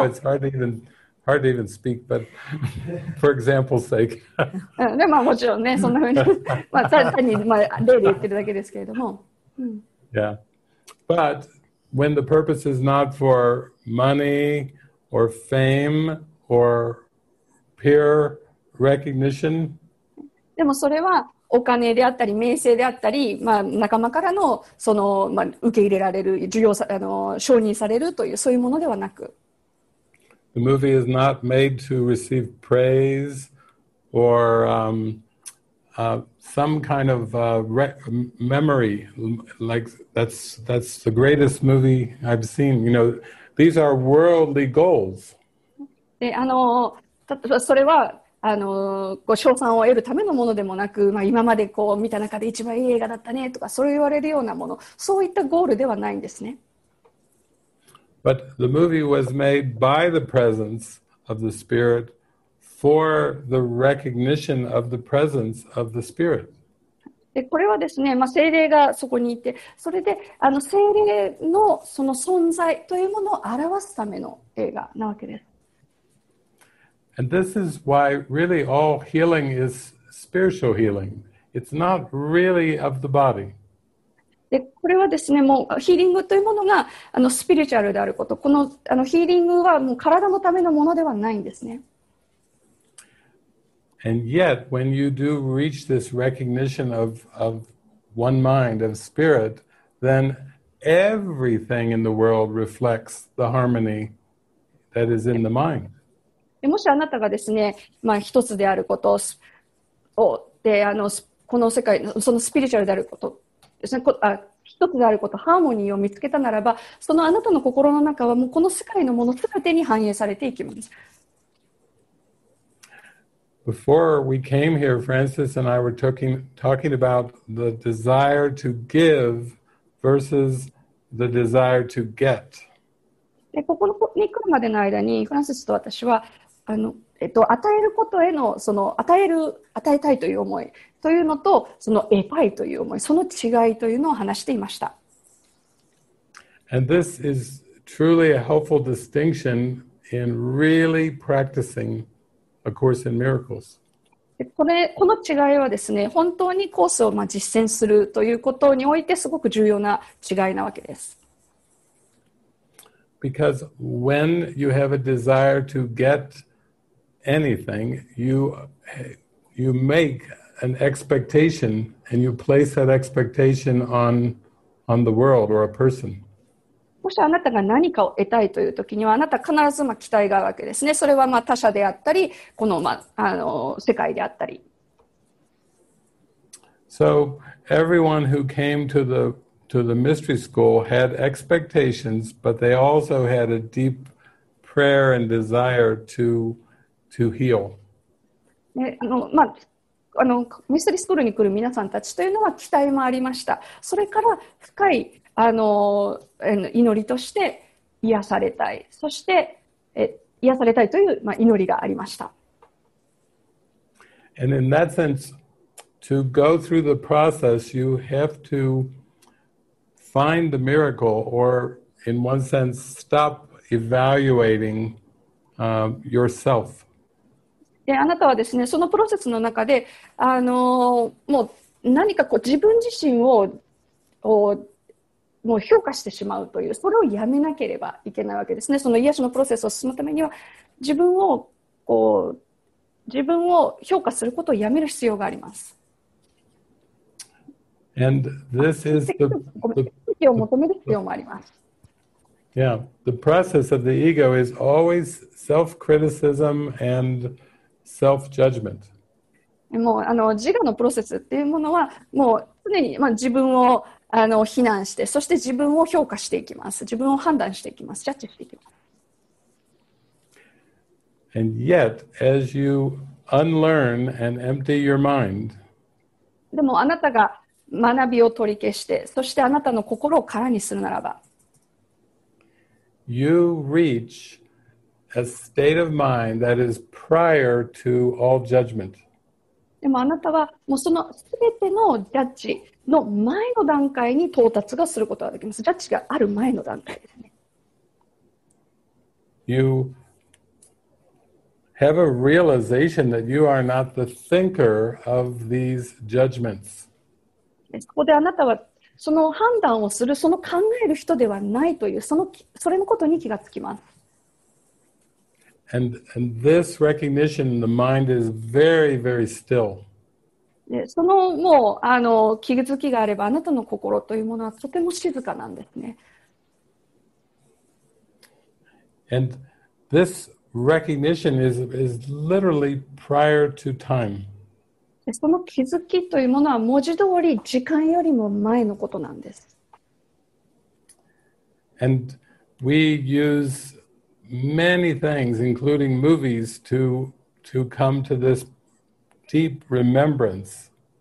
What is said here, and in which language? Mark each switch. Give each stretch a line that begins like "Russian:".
English: I know, it's hard to even speak, but for example's sake.
Japanese: で、まあ、もちろんね、そんなふうに、まあ、単に、まあ、例で言ってるだけですけれども。うん、
English: Yeah. But when the purpose is not for money or fame or peer recognition,
Japanese: でもそれはお金であったり名声であったり、まあ、仲間からのその、まあ、受け入れられる、需要さ、あの、承認されるというそういうものではなく、
English: The movie is not made to receive praise or some kind of memory, like that's the greatest movie I've seen. You know, these are worldly goals.
Japanese: で、あの、それは、あの、ご賞賛を得るためのものでもなく、まあ、今までこう見た中で一番いい映画だったねとか、それ言われるようなもの、そういったゴールではないんですね。
English: But the movie was made by the presence of the spirit. For the recognition of the presence of the spirit.
Japanese: で、これはですね、まあ、聖霊がそこにいて、それで、あの、聖霊のその存在というものを表すための映画なわけです。
English: And this is why really all healing is spiritual healing. It's not really of the body.
Japanese: で、これはですね、もうヒーリングというものが、あの、スピリチュアルであること。この、あの、ヒーリングはもう体のためのものではないんですね。
English: And yet, when you do reach this recognition of one mind, of spirit, then everything in the world reflects the harmony that is in the mind.
Japanese: もしあなたがですね、まあ、一つであることをで、この世界そのスピリチュアルであることですね、一つであること、ハーモニーを見つけたならば、そのあなたの心の中はもうこの世界のものすべてに反映されていきます。
English: Before we came here, Francis and I were talking about the desire to give versus the desire to get.
Japanese: で、ここに来るまでの間に、フランシスと私は、与えることへの、その、与えたいという思いというのと、その、得たいという思い、その違いというのを話していました。
English: And this is truly a helpful distinction in really practicing A Course in Miracles.
Japanese: この違いはですね、本当にコースを実践するということにおいてすごく重要な違いなわけです。
English: Because when you have a desire to get anything, you make an expectation and you place that expectation on the world or a person.
Japanese: もしあなたが何かを得たいというときには、あなたは必ず期待があるわけですね。それは他者であったり、この世界であったり。
English: So, everyone who came to the mystery school had expectations, but they also had a deep prayer and desire to heal.
Japanese: ミステリースクールに来る皆さんたちというのは期待もありました。それから深い祈りとして癒されたい、そして癒されたいという、まあ、祈りがありました。
English: And in that sense, to go through the process, you have to find the miracle, or in one sense, stop evaluating yourself.
Japanese: で、あなたはですね、そのプロセスの中で、もう何かこう自分自身 をもう評価してしまうという、それをやめなければいけないわけですね。その癒しのプロセスを進むためには、自分を評価することをやめる必要があります。
English: And this is the...
Japanese: 意識を求める必要もあります。
English: Yeah, the process of the ego is always self-criticism and... self-judgment.
Japanese: もう自我のプロセスっていうものはもう常に、まあ、自分を非難して、そして自分を評価していきます、自分を判断していきます、ジャッジしていきます。
English: And yet, as you unlearn and empty your mind,
Japanese: でもあなたが学びを取り消して、そしてあなたの心を空にするならば、
English: you reachA state of mind that is prior to all judgment.
Japanese: でもあなたはもうそのすべてのジャッジの前の段階に到達がすることができます。ジャッジがある前の段階ですね。
English: You have a realization that you are not the thinker of these judgments.
Japanese: そこであなたはその判断をする、その考える人ではないという、それのことに気がつきます。
English: And this recognition in the mind is very, very still.
Japanese: そのもう気づきがあれば、あなたの心というものはとても静かなんですね。
English: And this recognition is literally prior to time.
Japanese: その気づきというものは文字通り時間よりも前のことなんです。
English: And we use... Many things, including movies, to come to this deep remembrance.